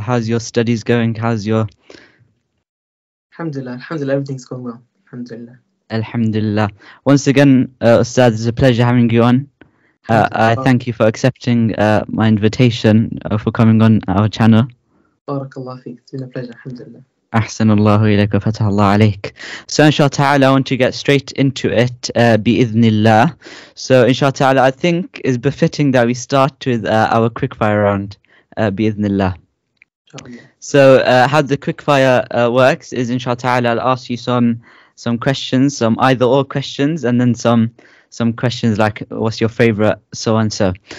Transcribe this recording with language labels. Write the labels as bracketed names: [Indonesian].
[English] How's your studies going? How's your... Alhamdulillah, everything's going well. Alhamdulillah. Alhamdulillah. Once again, Ustaz, it's a pleasure having you on. I thank you for accepting my invitation for coming on our channel. Barakallah feek. It's been a pleasure. Alhamdulillah. [Arabic] أحسن الله إليك وفتح الله عليك. [English] So inshallah ta'ala, I want to get straight into it, [Arabic] بإذن الله. [English] So inshallah ta'ala, I think it's befitting that we start with our quickfire round, [Arabic] بإذن الله. [English] So how the quickfire works is inshallah ta'ala, I'll ask you some questions, some either or questions, and then some questions like what's your favorite, so and so.